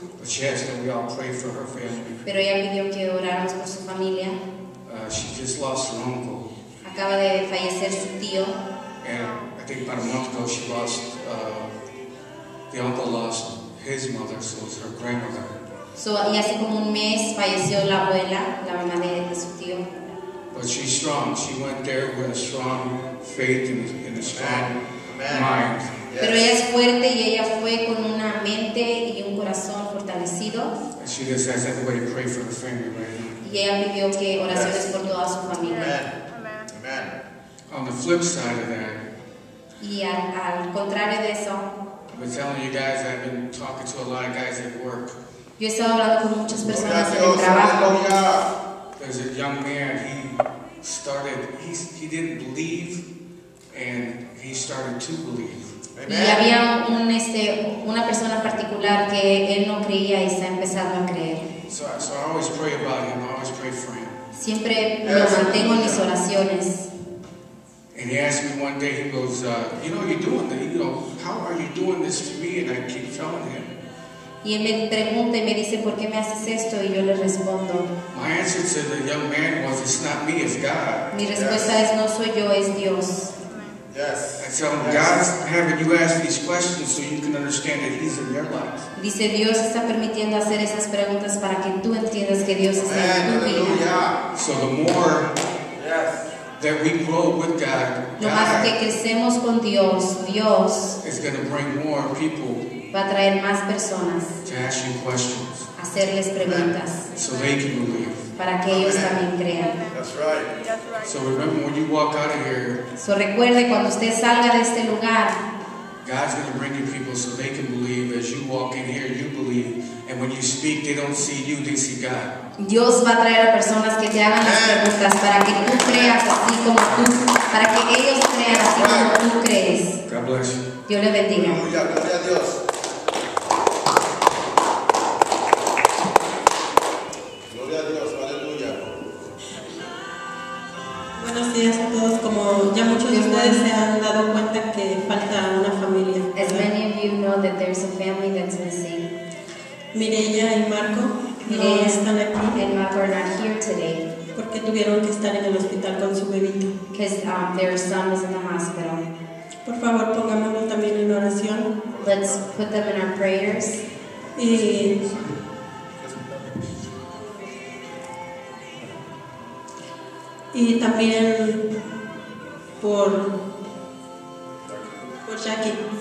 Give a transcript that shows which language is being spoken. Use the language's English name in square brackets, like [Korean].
[English] But she asked that we all pray for her family. [Spanish] Pero ella pidió que oráramos por su familia. [English] She just lost her uncle. [Spanish] Acaba de fallecer su tío. [English] And I think about a month ago she lost, the uncle lost his mother, so it's her grandmother. [Spanish] So, y hace como un mes falleció la abuela, la mamá de su tío. [English] But she's strong. She went there with a strong faith and a strong mind. Yes. [Spanish] Pero ella es fuerte y ella fue con una mente y un corazón fortalecido. [English] And she just asked everybody to pray for the family right now. [Spanish] Y ella pidió que oraciones [English] yes. [Spanish] por toda su familia. [English] Amen. On the flip side of that, [Spanish] y al contrario de eso, [English] I've been telling you guys, I've been talking to a lot of guys at work. [Spanish] Yo he estado hablando con muchas personas en el trabajo. [English] There's a young man, he started, he didn't believe, and he started to believe. [Spanish] Amen. Y había una persona particular que él no creía y se ha empezado a creer. [English] So I always pray about him, I always pray for him. [Spanish] Siempre lo mantengo en mis oraciones. [English] And he asked me one day, he goes, you know, you're doing this, you know, how are you doing this to me? And I keep telling him. [Spanish] Y él me pregunta y me dice, ¿por qué me haces esto? Y yo le respondo. [English] My answer to the young man was, it's not me, it's God. [Spanish] Mi respuesta [English] yes. [Spanish] es, no soy yo, es Dios. [English] Yes. I tell him, yes. God's having you ask these questions so you can understand that he's in your life. [Spanish] Dice, Dios está permitiendo hacer esas preguntas para que tú entiendas que Dios está en tu vida. [English] So the more... Yes. That we grow with God. [Spanish] Lo más que crecemos con Dios, Dios [English] is going to bring more people [Spanish] va a traer más personas [English] to ask you questions. [Spanish] Hacerles preguntas. [English] So they can believe. [Spanish] Para que ellos también crean. [English] That's right. That's right. So remember when you walk out of here. [Spanish] So recuerde cuando usted salga de este lugar. [English] God's going to bring you people so they can believe. As you walk in here, you believe. And when you speak, they don't see you, they see God. [Spanish] Dios va a traer a personas que te hagan las preguntas para que tú creas así como tú, para que ellos crean así como tú crees. [English] God bless you. [Spanish] Dios le bendiga. Aleluya, gloria a Dios. Gloria a Dios, aleluya. Buenos días a todos. Como ya muchos de ustedes se han dado cuenta que falta una familia. As many of you know that there's a family that's missing. Mireya y Marco. No están aquí. [English] And Marco are not here today. [Spanish] Porque tuvieron que estar en el hospital con su bebito. [English] Because their son was in the hospital. [Spanish] Por favor, pongámoslo también en oración. [English] Let's put them in our prayers. [Spanish] Y también por Jackie.